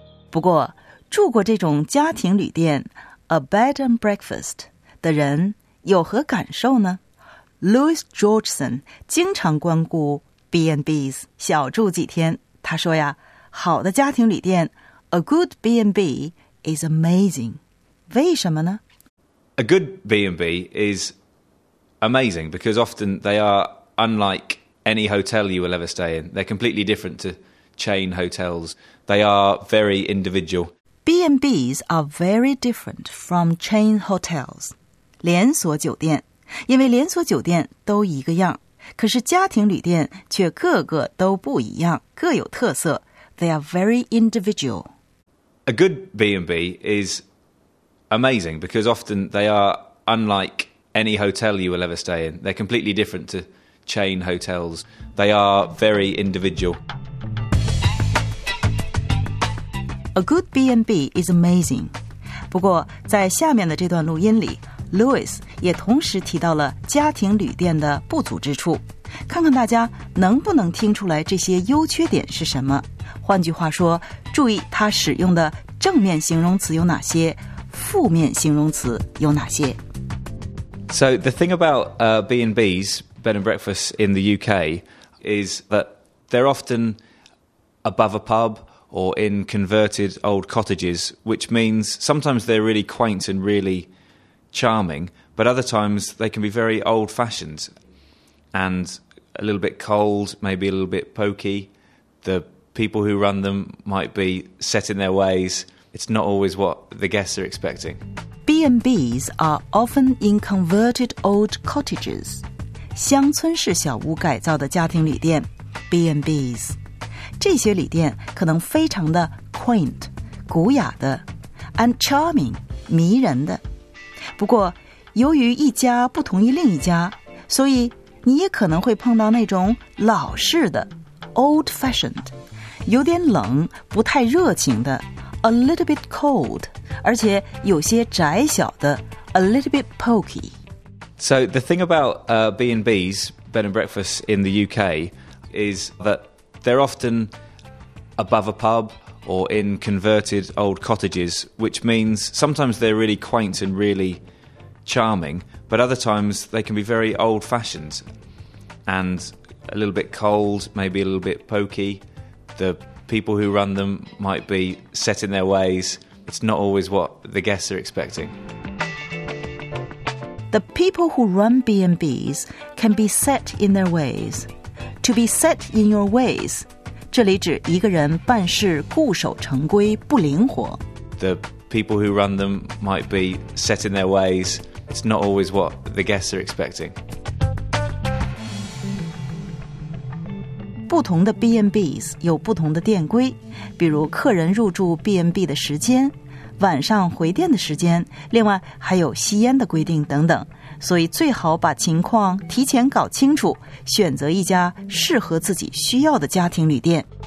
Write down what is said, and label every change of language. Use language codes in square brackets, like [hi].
[zh] 不过，住过这种家庭旅店 ，a bed and breakfast 的人有何感受呢 ？Louis Georgeson 经常光顾 B&Bs 小住几天，他说呀：“好的家庭旅店 ， [en] a good B&B is amazing。 [zh] 为什么呢？” [en] A good B&B is amazing because often they are unlike any hotel you will ever stay in. They're completely different to chain hotels. They are very individual. B&Bs are very different from chain hotels. [zh] 连锁酒店，因为连锁酒店都一个样，可是家庭旅店却个个都不一样，各有特色。 [en] They are very individual. A good B&B is... Amazing, because often they are unlike any hotel you will ever stay in. They're completely different to chain hotels. They are very individual. A good B&B is amazing. [zh] 不过在下面的这段录音里 ,Louis 也同时提到了家庭旅店的不足之处。看看大家能不能听出来这些优缺点是什么。换句话说，注意他使用的正面形容词有哪些，负面形容词有哪些。 [en] So the thing about B&Bs, bed and breakfasts in the UK, is that they're often above a pub or in converted old cottages, which means sometimes they're really quaint and really charming, but other times they can be very old-fashioned and a little bit cold, maybe a little bit pokey. The people who run them might be set in their ways. It's not always what the guests are expecting. B&Bs are often in converted old cottages. [zh] 乡村式小屋改造的家庭旅店 B&Bs. 这些旅店可能非常的 quaint, 古雅的 [en] and charming, [zh] 迷人的。不过由于一家不同于另一家，所以你也可能会碰到那种老式的 [en] old fashioned, [zh] 有点冷不太热情的 [en] a little bit cold, [zh] 而且有些窄小的 [en] a little bit pokey. So the thing about B&Bs, bed and breakfasts in the UK, is that they're often above a pub or in converted old cottages, which means sometimes they're really quaint and really charming, but other times they can be very old-fashioned and a little bit cold, maybe a little bit pokey. The people who run them might be set in their ways. It's not always what the guests are expecting. The people who run B&Bs can be set in their ways. To be set in your ways, [zh] 这里指一个人办事固守成规不灵活。 [en] The people who run them might be set in their ways. It's not always what the guests are expecting. [zh] 不同的 B&Bs 有不同的店规，比如客人入住 B&B 的时间。晚上回电的时间，另外还有吸烟的规定等等，所以最好把情况提前搞清楚，选择一家适合自己需要的家庭旅店。